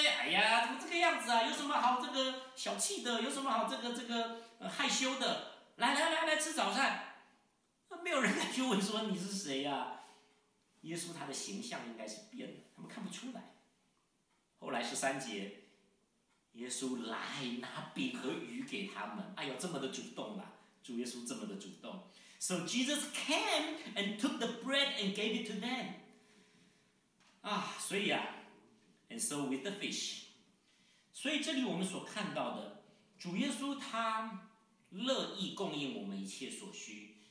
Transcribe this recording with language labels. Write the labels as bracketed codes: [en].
[zh] 哎呀怎么这个样子啊，有什么好这个小气的，有什么好这个害羞的，来来来来吃早餐。没有人来去问说你是谁啊，耶稣他的形象应该是变了，他们看不出来。后来十三节耶稣来拿饼和鱼给他们，哎呦这么的主动啊，主耶稣这么的主动。 [en] So Jesus came and took the bread and gave it to them. [zh] 啊，所以啊 [en] And so with the fish. [zh] 所以这里我们所看到的，主耶稣他乐意供应我们一切所需。